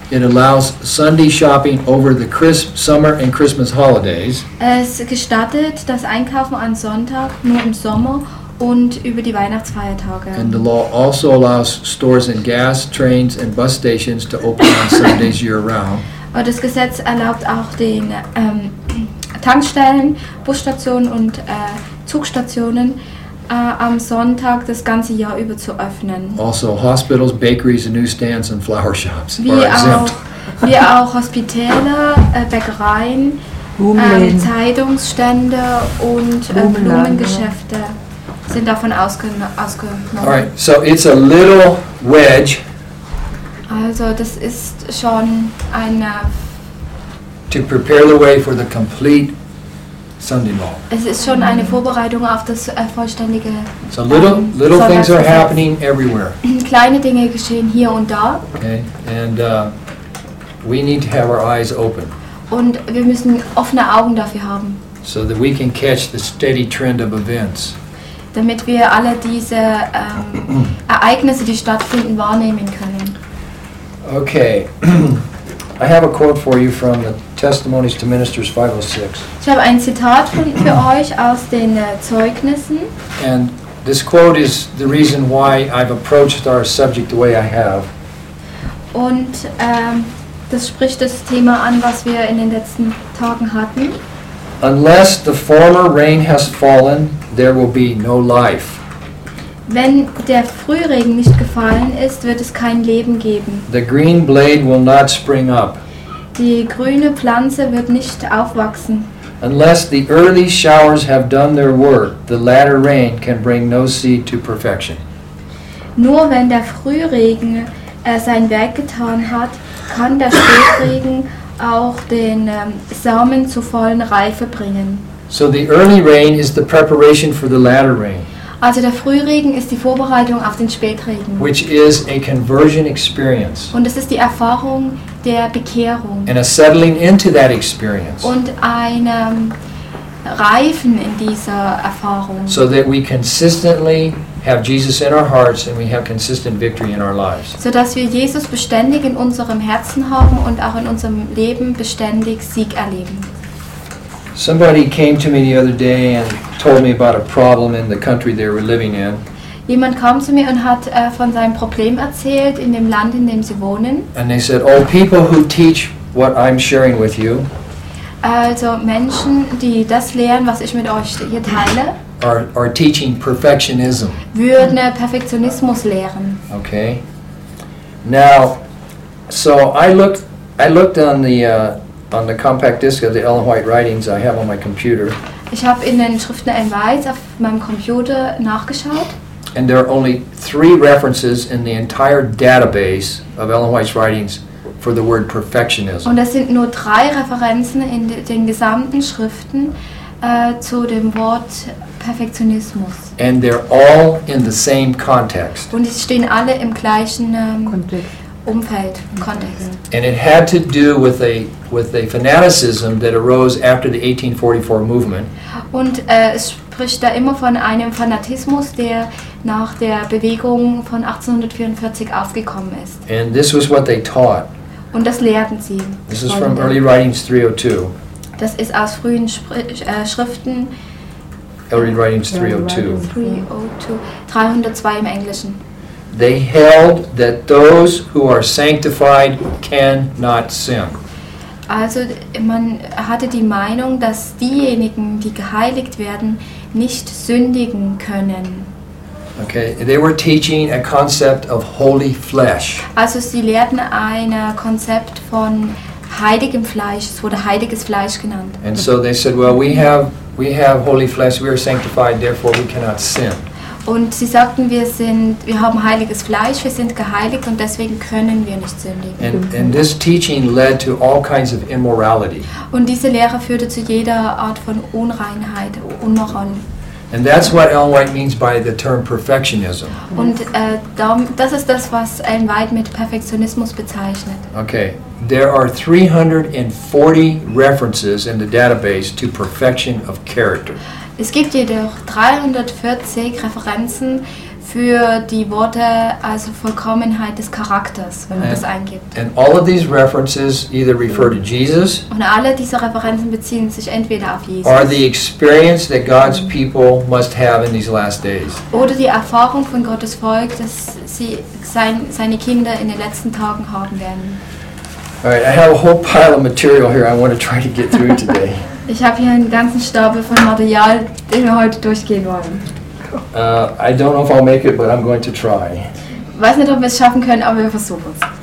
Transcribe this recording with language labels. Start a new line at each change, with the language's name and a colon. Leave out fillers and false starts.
English: It allows Sunday shopping over the crisp summer and Christmas holidays.
German: Es gestattet das Einkaufen an Sonntag nur im Sommer und über die Weihnachtsfeiertage.
English: And the law also allows stores and gas, trains and bus stations to open on Sundays year round.
German: Aber das Gesetz erlaubt auch den Tankstellen, Busstationen und Zugstationen am Sonntag das ganze Jahr über zu öffnen.
English: Also hospitals, bakeries, newsstands and flower shops
German: wie
English: are exempt.
German: Wie auch Hospitäler, Bäckereien, Zeitungsstände und Blumengeschäfte sind davon ausgenommen.
English: All right, so it's a little wedge.
German: Also das ist schon eine
English: to prepare the way for the complete Sunday law.
German: Es ist schon eine Vorbereitung auf das vollständige.
English: So little things are happening everywhere.
German: Kleine Dinge geschehen hier und da.
English: Okay, and we need to have our eyes open.
German: Und wir müssen offene Augen dafür haben.
English: So that we can catch the steady trend of events.
German: Damit wir alle diese Ereignisse, die stattfinden, wahrnehmen können.
English: Okay. I have a quote for you from the Testimonies to Ministers 506.
German: Ich habe ein Zitat für euch aus den Zeugnissen.
English: And this quote is the reason why I've approached our subject the way I have.
German: Und das spricht das Thema an, was wir in den letzten Tagen hatten.
English: Unless the former rain has fallen, there will be no life.
German: Wenn der Frühregen nicht gefallen ist, wird es kein Leben geben.
English: The green blade will not spring up.
German: Die grüne Pflanze wird nicht aufwachsen.
English: Unless the early showers have done their work, the latter rain can bring no seed to perfection.
German: Nur wenn der Frühregen sein Werk getan hat, kann der Spätregen auch den Samen zur vollen Reife bringen.
English: So the early rain is the preparation for the latter rain.
German: Also der Frühregen ist die Vorbereitung auf den Spätregen.
English: Which is a conversion experience.
German: Und es ist die Erfahrung der Bekehrung.
English: And a settling into that experience.
German: Und ein Reifen in dieser Erfahrung.
English: So that we consistently have Jesus in our hearts and we have consistent victory in our lives.
German: So dass wir Jesus beständig in unserem Herzen haben und auch in unserem Leben beständig Sieg erleben.
English: Somebody came to me the other day and told me about a problem in the country they were living in.
German: Jemand kam zu mir und hat von seinem Problem erzählt in dem Land, in dem sie wohnen.
English: And they said, "Oh, people who teach what I'm sharing with you."
German: Also Menschen, die das lehren, was ich mit euch hier teile.
English: Are teaching perfectionism.
German: Würden Perfektionismus lehren.
English: Okay. Now, so I looked on the compact disc of the Ellen White writings I have on my computer.
German: Ich habe in den Schriften Ellen White auf meinem Computer nachgeschaut.
English: And there are only 3 references in the entire database of Ellen White's writings for the word perfectionism.
German: Und es sind nur 3 Referenzen in den gesamten Schriften zu dem Wort Perfektionismus.
English: And they're all in the same context.
German: Und sie stehen alle im gleichen Umfeld, Kontext.
English: And it had to do with a fanaticism that arose after the 1844 movement.
German: Und es spricht da immer von einem Fanatismus, der nach der Bewegung von 1844 aufgekommen ist.
English: And this was what they taught.
German: Und das lehrten sie.
English: This is from early writings 302.
German: Das ist aus frühen Schriften.
English: Early writings 302.
German: 302 im Englischen.
English: They held that those who are sanctified cannot sin.
German: Also man hatte die Meinung, dass diejenigen, die geheiligt werden, nicht sündigen können.
English: Okay, they were teaching a concept of holy flesh.
German: Also sie lehrten ein Konzept von heiligem Fleisch, es wurde heiliges Fleisch genannt.
English: And so they said, well, we have holy flesh, we are sanctified, therefore we cannot sin.
German: Und sie sagten, wir haben heiliges Fleisch, wir sind geheiligt und deswegen können wir nicht sündigen.
English: And this teaching led to all kinds of immorality.
German: Und diese Lehre führte zu jeder Art von Unreinheit, Unmoral.
English: And that's what Ellen White means by the term perfectionism.
German: Und das ist das, was Ellen White mit Perfektionismus bezeichnet.
English: Okay. There are 340 references in the database to perfection of character.
German: Es gibt jedoch 340 Referenzen für die Worte, also Vollkommenheit des Charakters, wenn man das eingibt.
English: And all of these references either refer to Jesus.
German: Und alle diese Referenzen beziehen sich entweder auf Jesus.
English: Or the experience that God's people must have in these last days.
German: Oder die Erfahrung von Gottes Volk, dass sie seine Kinder in den letzten Tagen haben werden.
English: All right, I have a whole pile of material here I want to try to get through today.
German: Ich habe hier einen ganzen Stapel von Material, den wir heute durchgehen wollen.
English: I don't know if I'll make it, but I'm going to try.
German: Weiß nicht, ob wir es schaffen können, aber wir versuchen es.